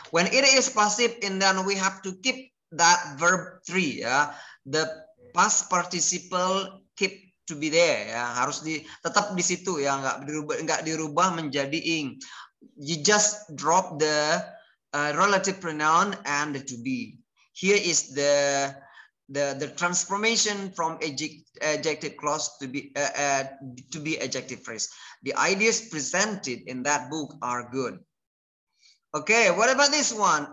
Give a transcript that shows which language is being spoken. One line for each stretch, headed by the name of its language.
English: When it is passive, and then we have to keep that verb three, ya. The past participle keep to be there, ya.
Indonesian: Harus tetap di situ, ya. Nggak dirubah menjadi ing.
English: You just drop the relative pronoun and the to be. Here is the transformation from adjective clause to be adjective phrase. The ideas presented in that book are good. Okay, what about this one?